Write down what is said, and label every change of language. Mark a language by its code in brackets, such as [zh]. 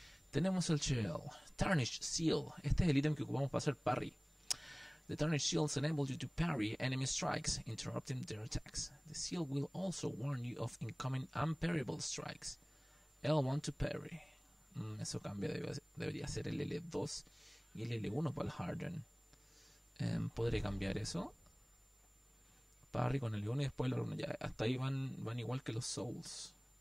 [es] Tenemos el shield, Tarnished Seal. Este es el ítem que ocupamos para hacer parry. [en] The Tarnished Shields enable you to parry enemy strikes, interrupting their attacks. The seal will also warn you of incoming unparryable strikes. L1 to parry. [es] Eso cambia, debería ser el L2 y el L1 para el Harden. Podré cambiar eso. Parry con el L1 y después el L1. Ya, hasta ahí van igual que los Souls.